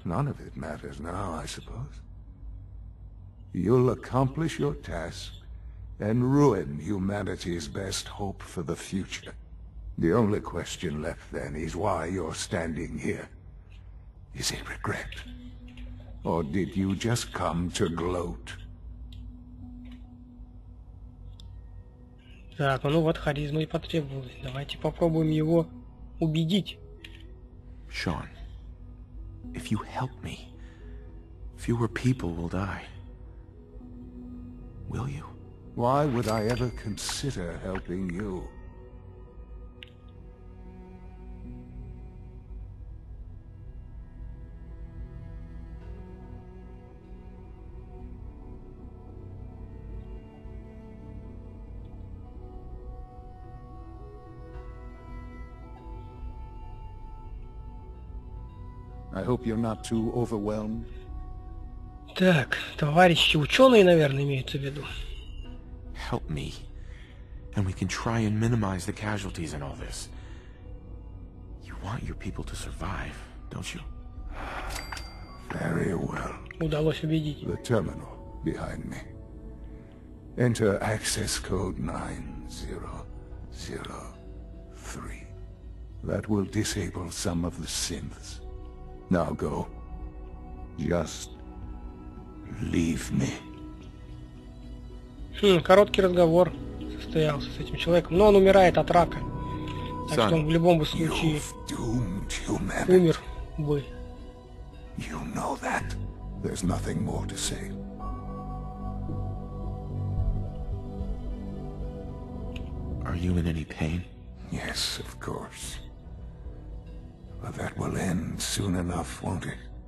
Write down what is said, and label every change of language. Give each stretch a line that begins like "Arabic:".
English: None of it matters now, I suppose. You'll accomplish your task and ruin humanity's best hope for the future. The only question left then is why you're standing here. Is it regret? Or did you just come to gloat?
Russian: Так, ну вот харизма и потребовалась. Давайте попробуем его убедить.
English: Sean, if you help me, fewer people will die. Will you? Why would I ever consider helping you? I hope you're not too overwhelmed.
Russian: Так, товарищи ученые, наверное, имеются в виду.
English: Help me, and we can try and minimize the casualties in all this. You want your people to survive, don't you? Very well.
Russian: Удалось убедить.
English: The terminal behind me. Enter access code 9003. That will disable some of the synths. Now go. Just leave me.
Russian: Короткий разговор состоялся с этим человеком, но он умирает от рака. Так
English: Son,
Russian: что он в любом бы случае умер бы.
English: You know that. There's nothing more to say. Are you in any pain? Yes, of course. But that will end soon enough, won't it?